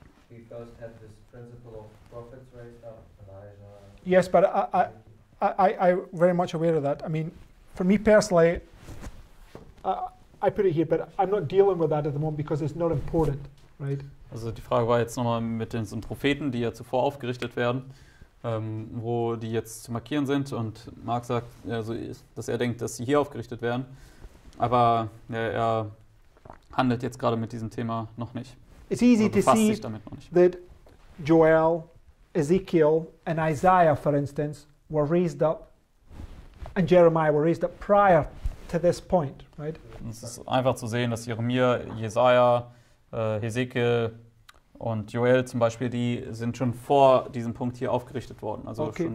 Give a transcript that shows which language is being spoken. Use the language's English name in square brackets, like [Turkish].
[English] We first had this principle of prophets raised up, Elijah. Yes, but I'm very much aware of that. I mean, for me personally, I put it here, but I'm not dealing with that at the moment because it's not important, right? [German] Also die Frage war jetzt nochmal mit den Propheten, die ja zuvor aufgerichtet werden, wo die jetzt zu markieren sind. Und Mark sagt, also, dass er denkt, dass sie hier aufgerichtet werden. Aber ja, er handelt jetzt gerade mit diesem Thema noch nicht. [English] It's easy to see that Joel, Ezekiel and Isaiah, for instance, were raised up and Jeremiah were raised up prior to this point, right? [German] Es ist einfach zu sehen, dass Jeremia, Jesaja, Ezekiel und Joel zum Beispiel, die sind schon vor diesem Punkt hier aufgerichtet worden, also okay.